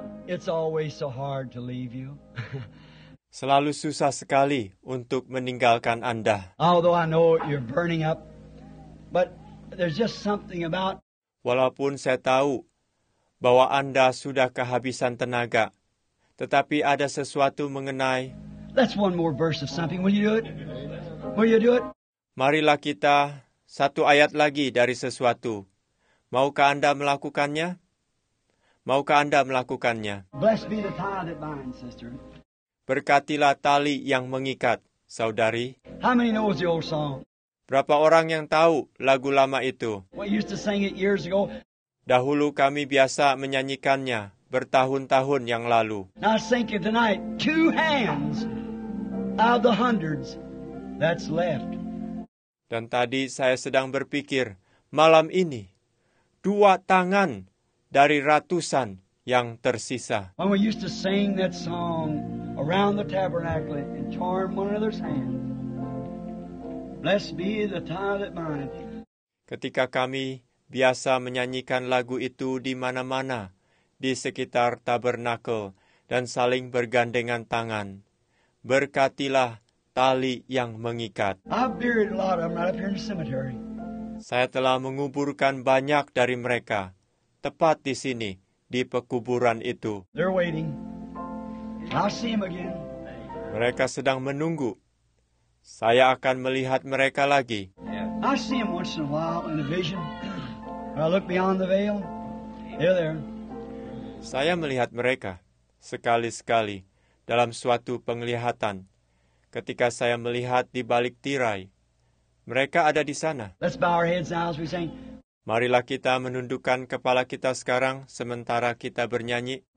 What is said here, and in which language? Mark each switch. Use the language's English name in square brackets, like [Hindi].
[English] It's always so hard to leave you. [Indonesian] Selalu susah sekali untuk meninggalkan Anda. [English] Although I know you're burning up, but there's just something about. [Indonesian] Walaupun saya tahu bahwa Anda sudah kehabisan tenaga, tetapi ada sesuatu mengenai. [English] That's one more verse of something. Will you do it? Will you do it? [Indonesian] Marilah kita satu ayat lagi dari sesuatu. Maukah Anda melakukannya? Maukah Anda melakukannya? [English] Blessed be the tie that binds, sister. [Indonesian] Berkatilah tali yang mengikat, saudari. [English] How many knows the old song? [Indonesian] Berapa orang yang tahu lagu lama itu? [English] We used to sing it years ago. [Indonesian] Dahulu kami biasa menyanyikannya bertahun-tahun yang lalu. [English] Now sing it tonight. Two hands out of the hundreds that's left. [Indonesian] Dan tadi saya sedang berpikir, malam ini, dua tangan dari ratusan yang tersisa. [English] When we used to sing that song around the tabernacle and charm one another's hand. Blessed be the tie that binds. [Indonesian] Ketika kami biasa menyanyikan lagu itu di mana-mana, di sekitar tabernakel, dan saling bergandengan tangan, berkatilah tali yang mengikat. [English] I've buried a lot of them right up here in the cemetery. [Indonesian] Saya telah menguburkan banyak dari mereka, tepat di sini, di pekuburan itu. [English] They're waiting. I'll see them again. [Indonesian] Mereka sedang menunggu. Saya akan melihat mereka lagi. [English] I see them once in a while in a vision. I look beyond the veil. They're there. [Indonesian] Saya melihat mereka sekali-sekali dalam suatu penglihatan. Ketika saya melihat di balik tirai, mereka ada di sana. [English] Let's bow our heads now as we sing. [Indonesian] Marilah kita menundukkan kepala kita sekarang sementara kita bernyanyi.